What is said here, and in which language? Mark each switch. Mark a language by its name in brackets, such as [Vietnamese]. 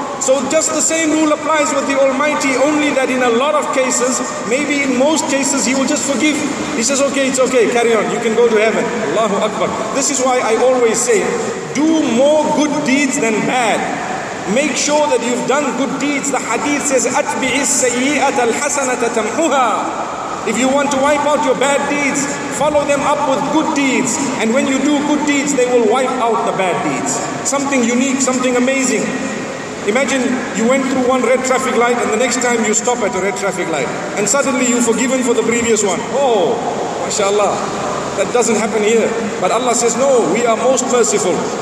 [English] So just the same rule applies with the Almighty, only that in a lot of cases, maybe in most cases, He will just forgive. He says, okay, it's okay, carry on, you can go to heaven. Allahu Akbar. This is why I always say, do more good deeds than bad. Make sure that you've done good deeds. The hadith says, [Arabic] أَتْبِعِ السَّيِّئَةَ الْحَسَنَةَ تَمْحُهَا. [English] If you want to wipe out your bad deeds, follow them up with good deeds. And when you do good deeds, they will wipe out the bad deeds. Something unique, something amazing. Imagine you went through one red traffic light and the next time you stop at a red traffic light. And suddenly you're forgiven for the previous one. Oh, mashallah. That doesn't happen here. But Allah says, no, we are most merciful.